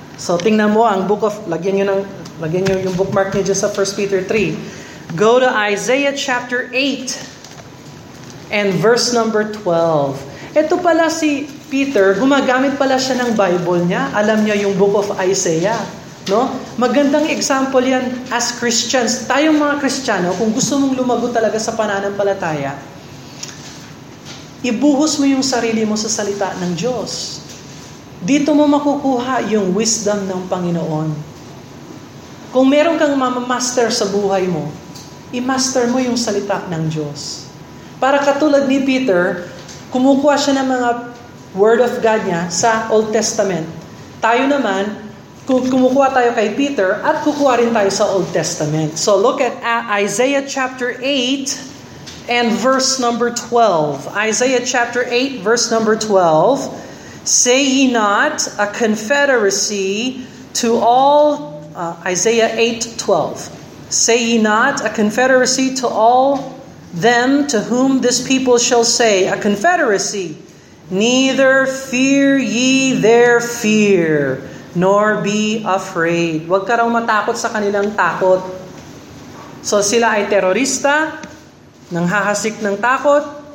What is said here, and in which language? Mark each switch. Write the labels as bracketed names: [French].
[Filipino] So tingnan mo ang book of, lagyan niyo yung bookmark niya dyan sa 1 Peter 3. [English] Go to Isaiah chapter 8 and verse number 12. [Filipino] Ito pala si Peter, gumagamit pala siya ng Bible niya. Alam niya yung Book of Isaiah. No? Magandang example yan [English] as Christians. [Filipino] Tayong mga Kristiyano, kung gusto mong lumago talaga sa pananampalataya, ibuhos mo yung sarili mo sa salita ng Diyos. Dito mo makukuha yung wisdom ng Panginoon. Kung meron kang mamamaster sa buhay mo, i-master mo yung salita ng Diyos. Para katulad ni Peter, kumukuha siya ng mga Word of God niya sa Old Testament. Tayo naman, kumukuha tayo kay Peter at kukuha rin tayo sa Old Testament. [English] So look at Isaiah chapter 8 and verse number 12. Isaiah chapter 8, verse number 12. Say ye not a confederacy to all... Isaiah 8:12. Say ye not a confederacy to all them to whom this people shall say, a confederacy, neither fear ye their fear, nor be afraid. [Filipino] Huwag ka raw matakot sa kanilang takot. So sila ay terorista, nang hahasik ng takot.